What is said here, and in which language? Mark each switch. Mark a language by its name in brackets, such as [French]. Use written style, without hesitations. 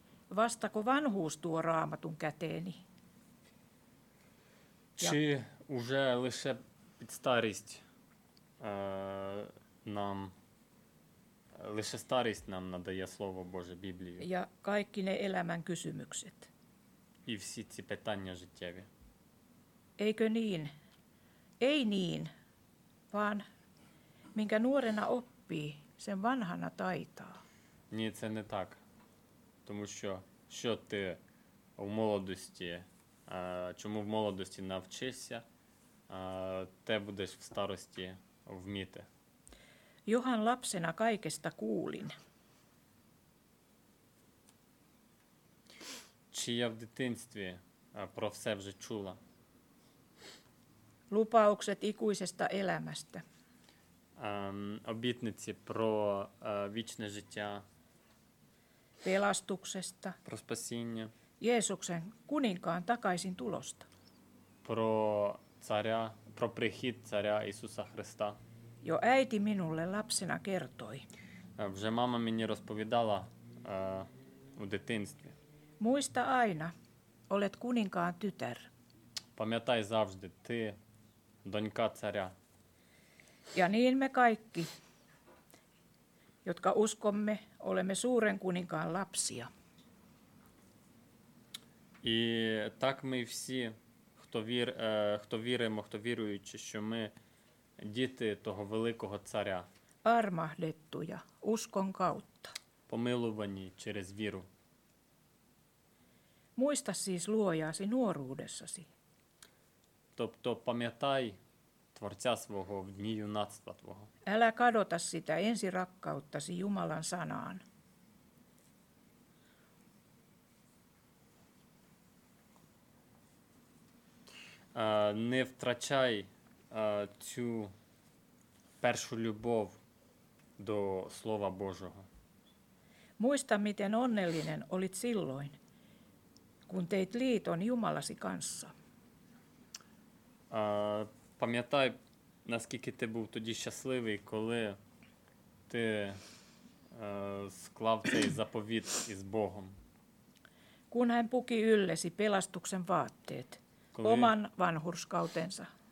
[Finnish] Vastako vanhuus tuo Raamatun käteeni? [Ukrainian] Чи уже лише під старість нам, лише старість нам надає слово Боже, Біблію? [Finnish] Ja kaikki ne elämän kysymykset. [Ukrainian] І всі ці питання життєві. [Finnish] Eikö niin? Ei niin, vaan minkä nuorena oppii, sen vanhana taitaa. Niin, se [Ukrainian] не так. Тому що, що ти в молодості, чому в молодості навчишся, те будеш в старості вміти. [Finnish] Johan lapsena kaikesta kuulin. [Ukrainian] Чи я в дитинстві про все вже чула? [Finnish] Lupaukset ikuisesta elämästä. [Ukrainian] Обітниці про вічне життя. [Finnish] Pelastuksesta. [Ukrainian] Про спасіння. [Finnish] Jeesuksen kuninkaan takaisin tulosta. [Ukrainian] Про царя, про прихід царя Ісуса Христа. [Finnish] Jo äiti minulle lapsena kertoi. [Ukrainian] Вже мама мені розповідала у дитинстві. [Finnish] Muista aina, olet kuninkaan tytär. [Ukrainian] Пам'ятай завжди, ти донька царя. [Finnish] Ja niin me kaikki, jotka uskomme, olemme suuren kuninkaan lapsia. [Ukrainian] І так ми всі, хто віруючи, що ми діти того великого царя. [Finnish] Армахдеттуя, uskon kautta. [Ukrainian] Помилувані через віру. [Finnish] Muista siis luojasi nuoruudessasi. [Ukrainian] Тобто пам'ятай Творця свого в дні юнацтва твого. [Finnish] Älä kadota sitä ensirakkauttasi Jumalan sanaan. [Ukrainian] Не втрачай цю першу любов до Слова Божого. [Finnish] Muista, miten onnellinen olit silloin, kun teit liiton Jumalasi kanssa. [Ukrainian] Pamätaj, naskiki te був тоді щасливий, коли ти склав цей заповіт із Богом. [Finnish] Kun hän puki yllesi pelastuksen vaatteet, [Ukrainian] коли, [Finnish] oman vanhurskautensa.